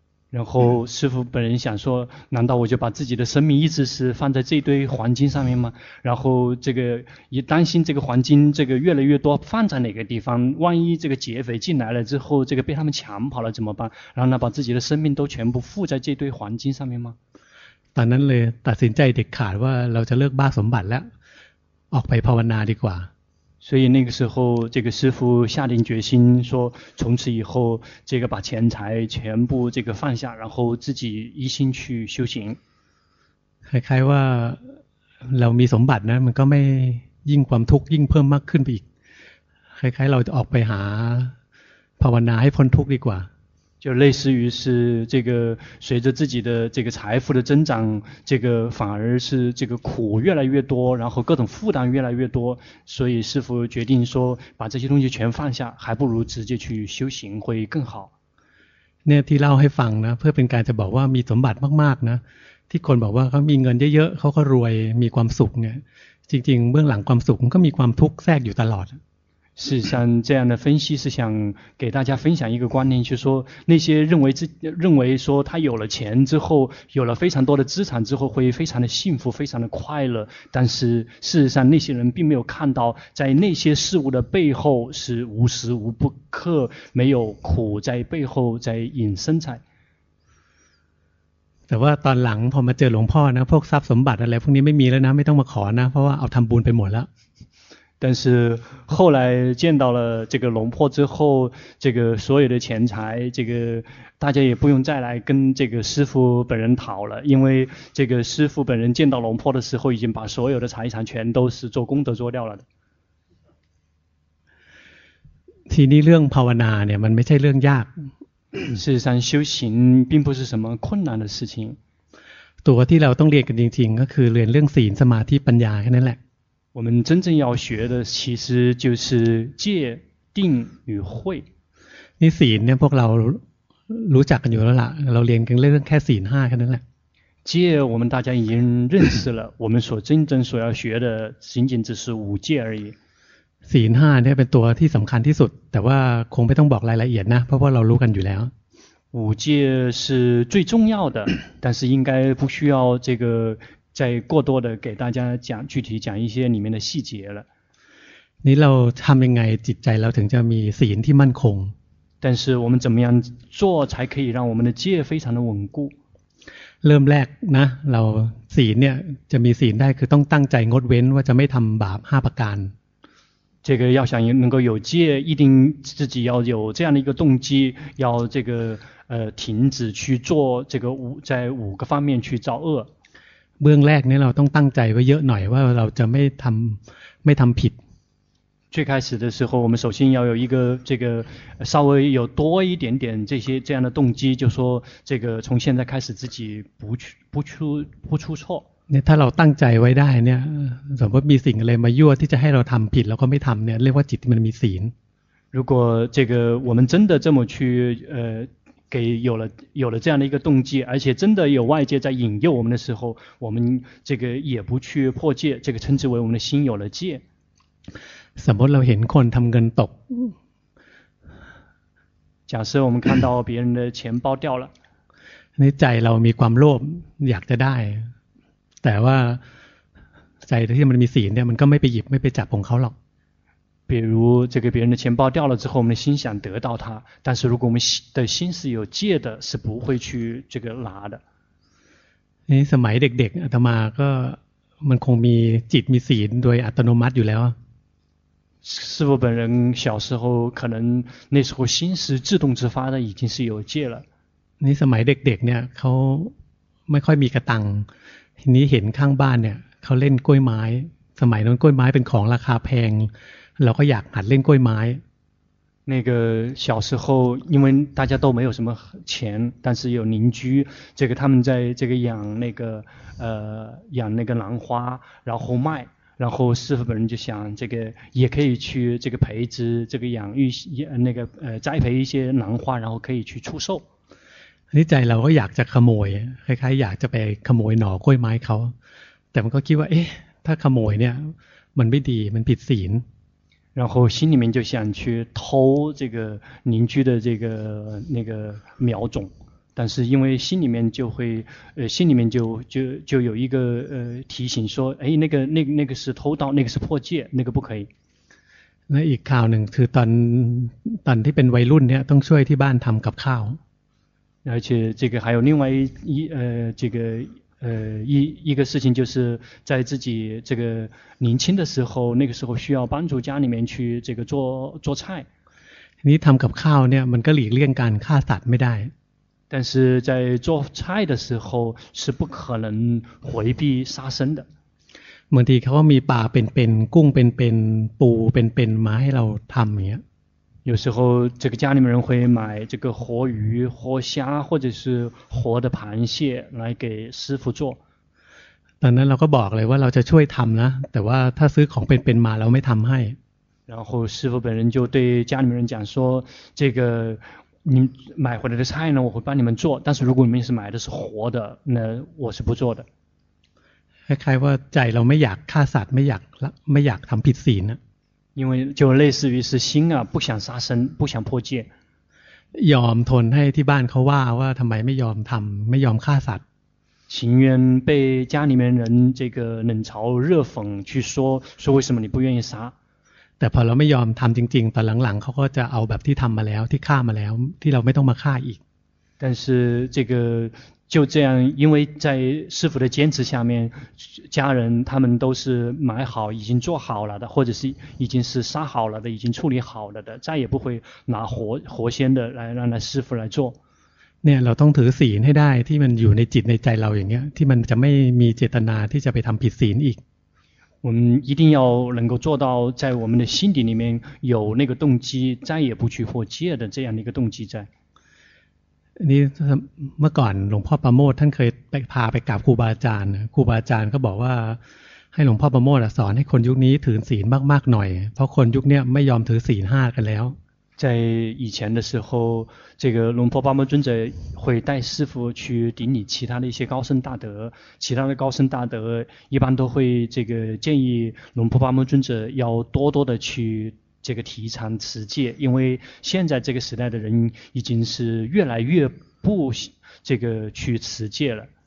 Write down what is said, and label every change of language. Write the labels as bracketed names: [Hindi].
[Chinese] 然后师父本人想说难道我就把自己的生命意志是放在这堆黄金上面吗然后这个也担心这个黄金这个越来越多放在哪个地方万一这个劫匪进来了之后这个被他们抢跑了怎么办然后呢把自己的生命都全部附在这堆黄金上面吗 [Thai] ตอนนั้นเลยตัดสินใจเด็ดขาดว่าเราจะเลิกบ้าสมบัติแล้วออกไปภาวนาดีกว่า [Chinese] 所以那个时候这个师父下定决心说从此以后这个把钱财全部这个放下然后自己一心去修行 [Thai] คล้ายๆว่าเรามีสมบัตินะมันก็ไม่ยิ่งความทุกข์ยิ่งเพิ่มมากขึ้นไปอีกคล้ายๆเราจะออกไปหาภาวนาให้พ้นทุกข์ดีกว่า [Chinese] 就类似于是这个随着自己的这个财富的增长这个反而是这个苦越来越多然后各种负担越来越多所以师父决定说把这些东西全放下还不如直接去修行会更好 [Thai] เนี่ยที่เล่าให้ฟังนะเพื่อเป็นการจะบอกว่ามีสมบัติมากๆนะที่คนบอกว่าเขามีเงินเยอะๆเขาก็รวยมีความสุขเนี่ยจริงๆเบื้องหลังความสุขก็มีความทุกข์แทรกอยู่ตลอด [Chinese] 是像这样的分析是想给大家分享一个观念就是说那些认为说他有了钱之后有了非常多的资产之后会非常的幸福非常的快乐但是事实上那些人并没有看到在那些事物的背后是无时无不刻没有苦在背后在隐身在 [Thai] แต่ว่าตอนหลังพอมาเจอหลวงพ่อนะพวกทรัพย์สมบัติอะไรพวกนี้ไม่มีแล้วนะไม่ต้องมาขอนะเพราะว่าเอาทำบุญไปหมดแล้ว [Chinese] 但是后来见到了这个龙破之后这个所有的钱财这个大家也不用再来跟这个师父本人讨了因为这个师父本人见到龙破的时候已经把所有的财产全都是做功德做掉了的 [Thai] ทีนี้เรื่องภาวนาเนี่ยมันไม่ใช่เรื่องยาก [Chinese] 事实上修行并不是什么困难的事情 [Thai] ตัวที่เราต้องเรียนกันจริงๆก็คือเรียนเรื่องศีลสมาธิปัญญาแค่นั้นแหละ [Chinese] 我们真正要学的其实就是戒定与慧 [Thai] นี่ศีลเนี่ยพวกเรารู้จักกันอยู่แล้วล่ะเราเรียนกันเรื่องแค่ศีล5แค่นั้นแหละ [Chinese] 戒我们大家已经认识了我们所真正所要学的仅仅只是五戒而已 [Thai] ศีล5เนี่ยเป็นตัวที่สําคัญที่สุดแต่ว่าคงไม่ต้องบอกรายละเอียดนะเพราะว่าเรารู้กันอยู่แล้ว [Chinese] 五戒是最重要的但是应该不需要这个再过多的给大家讲具体讲一些里面的细节了。你老他们应该记载了等下你是引体慢空。但是我们怎么样做才可以让我们的戒非常的稳固 [Thai] เริ่มแรกนะเราศีลเนี่ยจะมีศีลได้คือต้องตั้งใจงดเว้นว่าจะไม่ทำบาป5ประการ [Chinese] 这个要想能够有戒，一定自己要有这样的一个动机，要这个停止去做这个五在五个方面去造恶。 [Thai] เบื้องแรกเนี่ยเราต้องตั้งใจไว้เยอะหน่อยว่าเราจะไม่ทำผิด [Chinese] 最开始的时候我们首先要有一个这个稍微有多一点点这些这样的动机就说这个从现在开始自己不出错 [Thai] เนี่ยถ้าเราตั้งใจไว้ได้เนี่ยสมมติมีสิ่งอะไรมายั่วที่จะให้เราทำผิดแล้วก็ไม่ทำเนี่ยเรียกว่าจิตที่มันมีศีล [Chinese] 如果这个我们真的这么去给有了这样的一个动机，而且真的有外界在引诱我们的时候，我们这个也不去破戒，这个称之为我们的心有了戒。 [Thai] สมมติเราเห็นคนทำเงินตก， [Chinese] 假设我们看到别人的钱包掉了， [Thai] ในใจเรามีความโลภอยากจะได้，แต่ว่าใจที่มันมีศีลเนี่ยมันก็ไม่ไปหยิบไม่ไปจับของเขาหรอก。 [Chinese] 比如这个别人的钱包掉了之后我们的心想得到它但是如果我们的心是有戒的是不会去这个拿的 [Thai] สมัยเด็กๆอาตมาก็มันคงมีจิตมีศีลโดยอัตโนมัติอยู่แล้ว [Chinese] 师父本人小时候可能那时候心是自动自发的已经是有戒了 [Thai] สมัยเด็กๆเนี่ยเขาไม่ค่อยมีกระตังทีนี้เห็นข้างบ้านเนี่ยเขาเล่นกล้วยไม้สมัยนั้นกล้วยไม้เป็นของราคาแพงเราก็อยากหัดเล่นกล้วยไม้ [Chinese] 那个小时候因为大家都没有什么钱但是有邻居这个他们在这个养那个兰花然后卖然后师父本人就想这个也可以去这个培植这个养育那个栽培一些兰花然后可以去出售 [Thai] ในใจเราก็อยากจะขโมยคล้ายๆอยากจะไปขโมยหน่อกล้วยไม้เขาแต่มันก็คิดว่าเอ๊ะถ้าขโมยเนี่ยมันไม่ดีมันผิดศีล [Chinese] 然后心里面就想去偷这个邻居的这个那个苗种，但是因为心里面就会，心里面就有一个提醒说，哎，那个是偷盗，那个是破戒，那个不可以。 [Thai] 那อีกข่าวหนึ่งคือตอนที่เป็นวัยรุ่นเนี่ยต้องช่วยที่บ้านทำกับข้าว。 [Chinese] 而且这个还有另外一个事情就是在自己这个年轻的时候那个时候需要帮助家里面去这个做菜 [Thai] นี่ทำกับข้าวเนี่ยมันก็หลีกเลี่ยงการฆ่าสัตว์ไม่ได้ [Chinese] 但是在做菜的时候是不可能回避杀生的 [Thai] บางทีเขามีปลาเป็นๆกุ้งเป็นๆปูเป็นมาให้เราทำอย่างเงี้ย [Chinese] 有时候这个家里面人会买这个活鱼活虾或者是活的螃蟹来给师父做 [Thai] ตอนนั้นเราก็บอกเลยว่าเราจะช่วยทำนะแต่ว่าถ้าซื้อของเป็นมาเราไม่ทำให้ [Chinese] 然后师父本人就对家里面人讲说这个你买回来的菜呢我会帮你们做但是如果你们是买的是活的那我是不做的 [Thai] คล้ายๆว่าใจเราไม่อยากฆ่าสัตว์ไม่อยากทำผิดศีลนะ [Chinese] 因为就类似于是心啊不想杀生不想破戒 [Thai] ยอมทนให้ที่บ้านเขาว่าทำไมไม่ยอมทำไม่ยอมฆ่าสัตว์ [Chinese] 情愿被家里面人这个冷嘲热讽去说为什么你不愿意杀 [Thai] แต่พอเราไม่ยอมทำจริงๆตอนหลังๆเขาก็จะเอาแบบที่ทำมาแล้วที่ฆ่ามาแล้วที่เราไม่ต้องมาฆ่าอีก [Chinese] 但是这个就这样因为在师父的坚持下面家人他们都是买好已经做好了的或者是已经是杀好了的已经处理好了的再也不会拿活鲜的来让他师父来做 [Thai] เนี่ยเราต้องถือศีลให้ได้ที่มันอยู่ในจิตในใจเราอย่างเงี้ยที่มันจะไม่มีเจตนาที่จะไปทำผิดศีลอีก [Chinese] 我们一定要能够做到在我们的心底里面有那个动机再也不去破戒的这样的一个动机在 [Thai] นี่เมื่อก่อนหลวงพ่อประโมทท่านเคยไปพาไปกราบครูบาอาจารย์ครูบาอาจารย์ก็บอกว่าให้หลวงพ่อประโมทสอนให้คนยุคนี้ถือศีลมากๆหน่อยเพราะคนยุคนี้ไม่ยอมถือศีลห้ากันแล้ว [Chinese] 在以前的时候这个龙婆巴摩尊者会带师父去顶礼其他的一些高僧大德其他的高僧大德一般都会这个建议龙婆巴摩尊者要多多的去这个提倡持戒，因为现在这个时代的人已经是越来越不这个去持戒了。